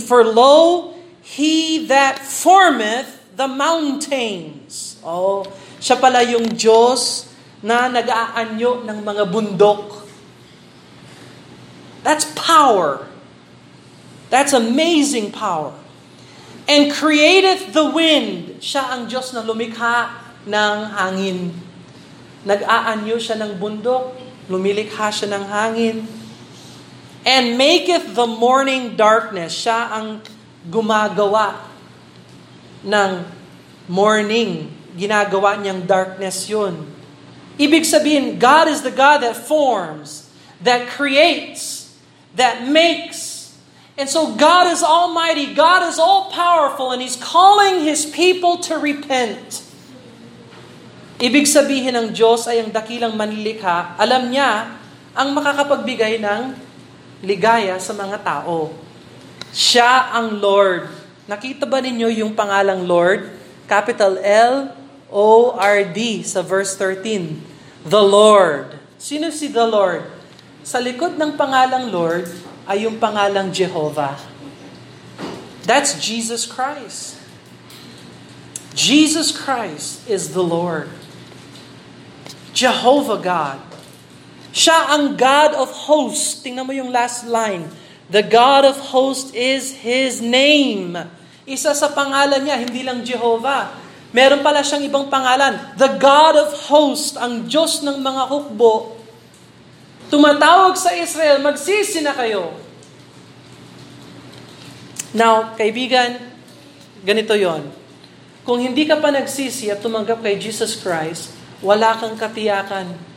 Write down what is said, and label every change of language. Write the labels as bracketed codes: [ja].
[en] For lo, he that formeth the mountains. [tl] Oh, siya pala yung Diyos na nag-aanyo ng mga bundok. [en] That's power. That's amazing power. And createth the wind. [tl] Siya ang Diyos na lumikha ng hangin. Nag-aanyo siya ng bundok. Lumilikha siya ng hangin. [en] And maketh the morning darkness. [tl] Siya ang gumagawa ng morning. Ginagawa niyang darkness yun. Ibig sabihin, [en] God is the God that forms, that creates, that makes. And so God is almighty, God is all-powerful, and He's calling His people to repent. [tl] Ibig sabihin ng Diyos ay ang dakilang manlilikha, alam niya ang makakapagbigay ng ligaya sa mga tao. Siya ang Lord. Nakita ba ninyo yung pangalang Lord? [en] Capital L-O-R-D sa verse 13. The Lord. [tl] Sino si [en] The Lord? The Lord. [tl] sa likod ng pangalang Lord ay yung pangalang Jehovah. [en] That's Jesus Christ. Jesus Christ is the Lord. Jehovah God. [tl] Siya ang God of hosts. Tingnan mo yung last line. [en] The God of hosts is His name. [tl] Isa sa pangalan niya, hindi lang Jehovah. Meron pala siyang ibang pangalan. [en] The God of hosts, [tl] ang Diyos ng mga hukbo. Tumatawag sa Israel, magsisi na kayo. Now, kaibigan, ganito yon. Kung hindi ka pa nagsisi at tumanggap kay Jesus Christ, wala kang katiyakan.